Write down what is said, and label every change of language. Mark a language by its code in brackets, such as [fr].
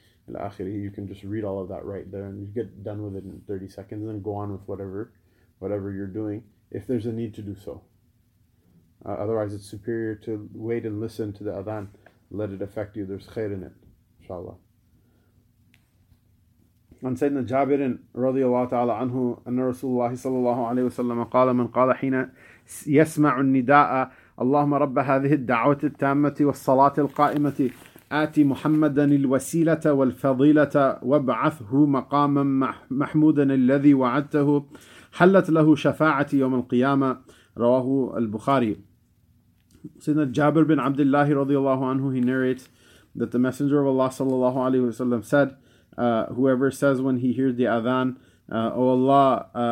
[ar] Ila akhirih, [en] you can just read all of that right there and you get done with it in 30 seconds and go on with whatever you're doing if there's a need to do so. Otherwise, it's superior to wait and listen to the adhan. Let it affect you. There's khair in it, inshallah. [ar] عن سيدنا جابر رضي الله تعالى عنه أن رسول الله صلى الله عليه وسلم قال: من قال حين يسمع النداء اللهم رب هذه الدعوة التامة والصلاة القائمة آتي محمدا الوسيلة والفضيلة وابعثه مقاما محمودا الذي وعدته حلت له شفاعة يوم القيامة. رواه البخاري. سيدنا جابر بن عبد الله رضي الله عنه, [en] he narrates that the messenger of Allah [ar] صلى الله عليه وسلم [en] said, whoever says when he hears the adhan, O Allah,